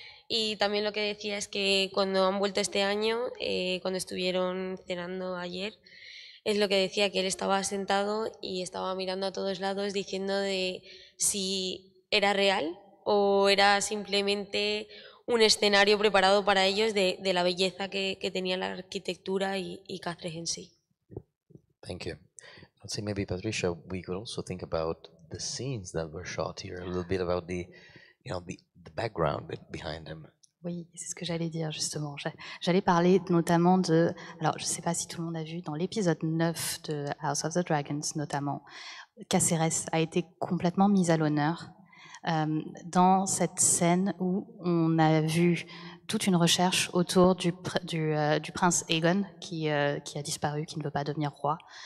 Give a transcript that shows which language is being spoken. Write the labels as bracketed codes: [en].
[es] Y también lo que decía es que cuando han vuelto este año, cuando estuvieron cenando ayer, es lo que decía, que él estaba sentado y estaba mirando a todos lados diciendo de si era real o era simplemente un escenario preparado para ellos de la belleza que tenía la arquitectura y Cáceres en sí. [en] Thank you. I'd say maybe, Patricia, we could also think about the scenes that were shot here, a little bit about the, you know, the background behind them. [fr] Oui, c'est ce que j'allais dire justement. J'allais parler notamment de, alors je ne sais pas si tout le monde a vu, dans l'épisode 9 de House of the Dragons notamment, Cáceres a été complètement mise à l'honneur dans cette scène où on a vu toute une recherche autour du prince Aegon qui a disparu, qui ne veut pas devenir roi.